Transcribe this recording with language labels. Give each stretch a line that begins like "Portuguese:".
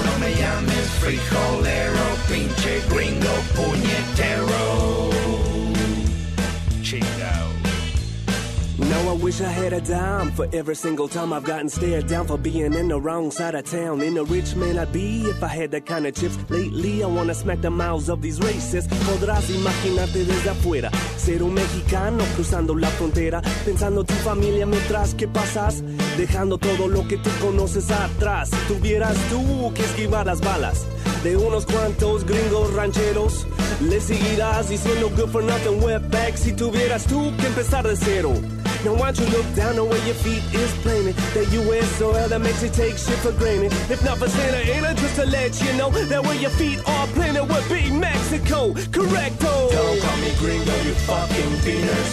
Spanish: No me llames frijolero, pinche gringo puñetero. Chingao.
English: Now I wish I had a dime for every single time I've gotten stared down for being in the wrong side of town. In a rich man I'd be if I had that kind of chips. Lately I wanna smack the mouths of these racists.
Spanish: Podrás imaginarte desde afuera, ser un mexicano cruzando la frontera, pensando tu familia mientras que pasas, dejando todo lo que tú conoces atrás. Tuvieras tú que esquivar las balas de unos cuantos gringos rancheros. Le seguirás diciendo
English: good for nothing, wetback,
Spanish: si tuvieras tú que empezar de cero.
English: Now why don't you look down on where your feet is planted? The U.S. soil that makes you take shit for granted. If not for Santa Ana, just to let you know that where your feet are planted would be Mexico.
Spanish: Correcto!
English: Don't call me gringo, you fucking beaner.